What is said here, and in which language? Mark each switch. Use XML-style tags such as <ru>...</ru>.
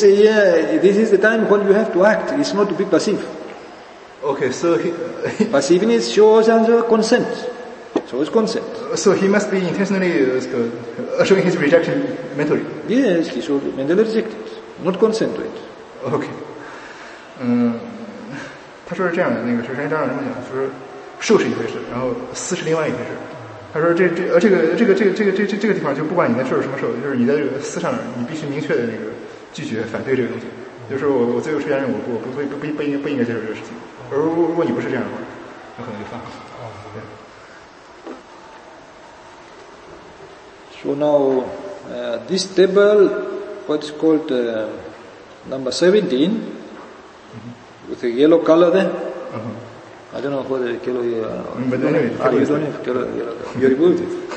<en>this is the time when you have to act. It's not to be passive. Okay, so passiveness shows under consent. So it's consent. So he must be intentionally showing his rejection mentally. Yes, he should mentally reject it, not consent to it. Okay.</en> <zh>他说是这样的，那个学生张老师这么讲，说受是一回事，然后思是另外一回事。他说这个地方就不管你在受什么受，就是你在这个思上你必须明确的那个拒绝反对这个东西，就是我最后出现任务我不应该接受这个事情，而如果你不是这样的话，那可能就犯了。</zh> <en>So now this table, what is called number 17, mm-hmm. with the yellow color there. Uh-huh. I don't know what the yellow color is. But anyway, you don't have yellow color. You removed it.</en>